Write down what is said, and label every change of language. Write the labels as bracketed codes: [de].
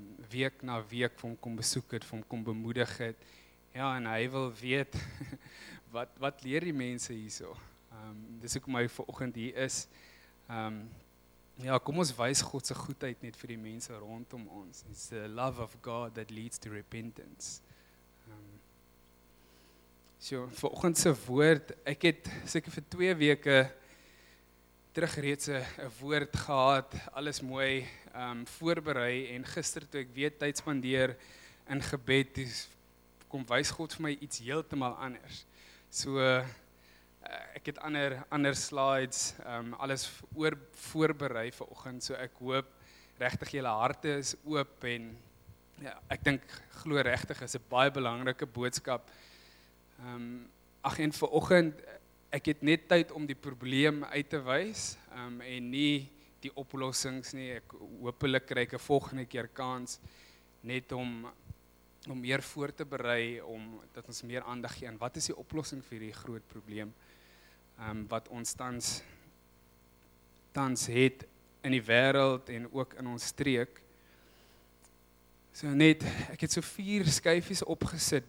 [af] Week na week vir hom kom besoek het, vir hom kom bemoedig het. Ja, en hy wil weet, wat leer die mense hierso? Dis ook my vanoggend hier is. Kom ons wys God se goedheid net vir die mense rondom ons. [en] It's the love of God that leads to repentance. [af] Vanoggend se woord, ek het seker vir 2 weke terug reeds 'n woord gehad, alles mooi voorberei, en gister toe ek weer tyd spandeer in gebed, kom wys God vir my iets heeltemal anders. So ek het ander slides, alles voorberei vanoggend, so ek hoop regtig julle harte is oop, en ja, ek dink glo regtig is 'n baie belangrike boodskap. En vanoggend, ek het net tyd om die probleem uit te wys, en nie die oplossings nie. Ek hoopelik kry ek 'n volgende keer kans net om meer voor te berei, om dat ons meer aandag gee aan wat is die oplossing vir die groot probleem wat ons tans het in die wêreld en ook in ons streek. So net, ek het so 4 skyfies opgesit.